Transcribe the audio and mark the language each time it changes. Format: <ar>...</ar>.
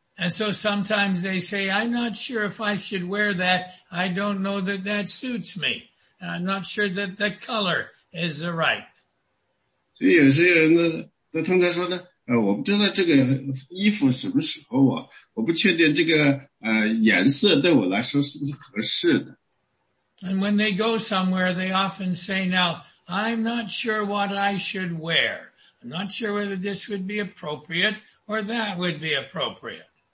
<en>And so sometimes they say, I'm not sure if I should wear that. I don't know that that suits me. I'm not sure that the color is the right.</en> <zh>所以有些人呢，那通常说呢， 我不知道这个衣服适不适合我，我不确定这个颜色对我来说是不是合适的。</zh> <en>And when they go somewhere, they often say, now, I'm not sure what I should wear. I'm not sure whether this would be appropriate or that would be appropriate.</en>